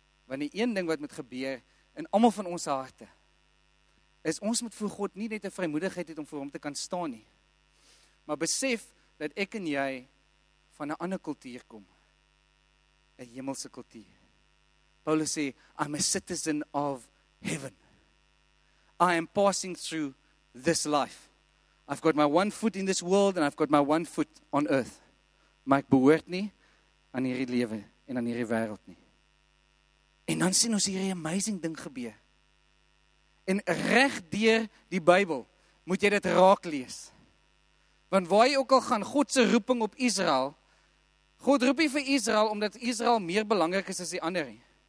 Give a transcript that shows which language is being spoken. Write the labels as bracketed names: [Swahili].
[Afrikaans] Want die een ding wat moet gebeur in allemaal van ons harte, is ons moet voor God nie net die vrymoedigheid het om voor hom te kan staan nie. Maar besef dat ek en jy van 'n ander kultuur kom. 'N hemelse kultuur. Paulus sê, [English] I'm a citizen of heaven. I am passing through this life. I've got my one foot in this world and I've got my one foot on earth. [Afrikaans] Maar ek behoort nie aan hierdie lewe en aan hierdie wêreld nie. En dan sien ons hierdie amazing ding gebeur. En reg deur die Bybel moet jy dit raak lees. Want waar jy ook al gaan, God se roeping op Israel, God roep nie vir Israel omdat Israel meer belangrik is as die ander nie.